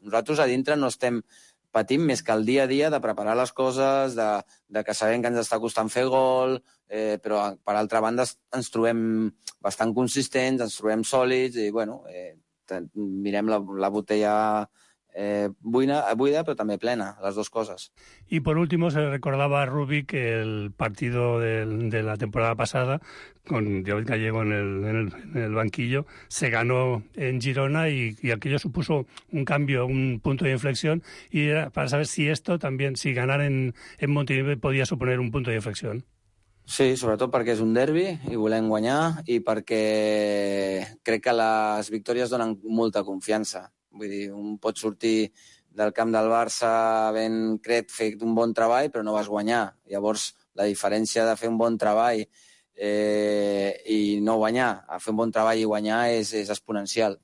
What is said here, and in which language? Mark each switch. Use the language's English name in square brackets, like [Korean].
[Catalan] Nosaltres a dintre no estem patint més que el dia a dia de preparar les coses, de que sabem que ens està costant fer gol, però per altra banda ens trobem bastant consistents, ens trobem sòlids i bueno, mirem la botella buida, però també plena, les dues coses. I per últim, se recordava a Rubi que [Spanish] el partido de la temporada pasada con David Gallego en el banquillo se ganó en Girona y aquello supuso un cambio, un punto de inflexión, y era para saber si esto también, si ganar en Montilivi podía suponer un punto de inflexión. [Catalan] Sí, sobretot perquè és un derbi i volem guanyar i perquè crec que les victòries donen molta confiança. Vull dir, un pot sortir del camp del Barça havent cret fet un bon treball, però no vas guanyar. Llavors, la diferència de fer un bon treball i no guanyar, a fer un bon treball i guanyar és exponencial.